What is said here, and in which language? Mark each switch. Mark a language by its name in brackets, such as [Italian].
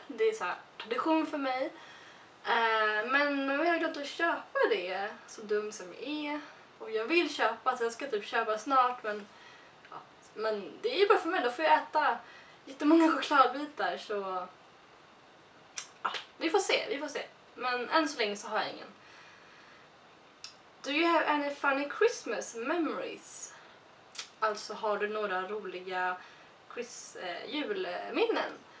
[Swedish] Det är så här tradition för mig. Men nu har jag glömt att köpa det, så dum som jag är. Och jag vill köpa, så jag ska typ köpa snart, men ja, men det är ju bara för mig, då får jag äta jättemånga chokladbitar, så ja, vi får se. Men än så länge så har jag ingen. [English] Do you have any funny Christmas memories? [Swedish] Alltså, har du några roliga julminnen?